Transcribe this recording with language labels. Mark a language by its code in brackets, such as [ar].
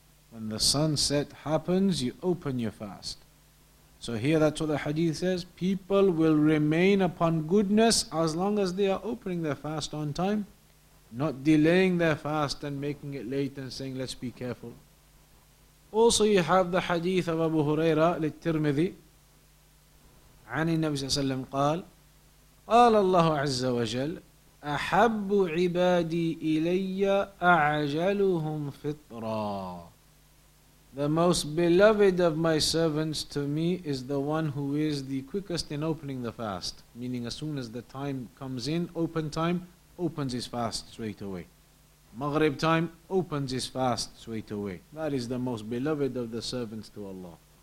[en] When the sunset happens, you open your fast. So here that's what the hadith says. People will remain upon goodness as long as they are opening their fast on time, not delaying their fast and making it late and saying, let's be careful. Also you have the hadith of Abu Huraira, al-Tirmidhi. [ar] Ani Nabi Sallam qal, قال الله عز وجل أحب عبادي إلي أعجلهم فطرا. [en] The most beloved of my servants to me is the one who is the quickest in opening the fast. Meaning as soon as the time comes in, open time, opens his fast straight away. Maghrib time, opens his fast straight away. That is the most beloved of the servants to Allah.